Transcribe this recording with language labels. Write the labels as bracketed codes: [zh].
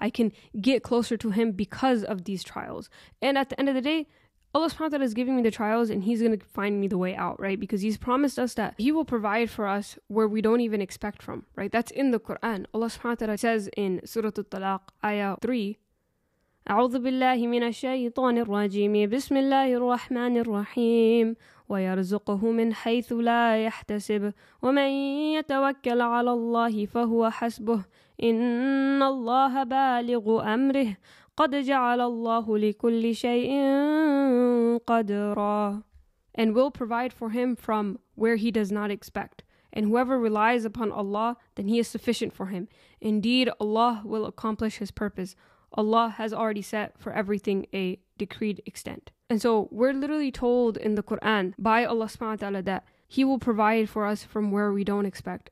[en] I can get closer to Him because of these trials. And at the end of the day, Allah subhanahu wa ta'ala is giving me the trials and He's going to find me the way out, right? Because He's promised us that He will provide for us where we don't even expect from, right? That's in the Quran. Allah subhanahu wa ta'ala says in Surah At-Talaq, ayah 3, [ar] أعوذ بالله من الشيطان الرجيم بسم الله الرحمن الرحيم ويرزقه من حيث لا يحتسب ومن يتوكل على الله فهو حسبه إن الله بالغ أمره قد جعل الله لكل شيء قدرا. [en] And will provide for him from where he does not expect. And whoever relies upon Allah, then he is sufficient for him. Indeed, Allah will accomplish his purpose. Allah has already set for everything a decreed extent. And so we're literally told in the Quran by Allah subhanahu wa ta'ala that he will provide for us from where we don't expect.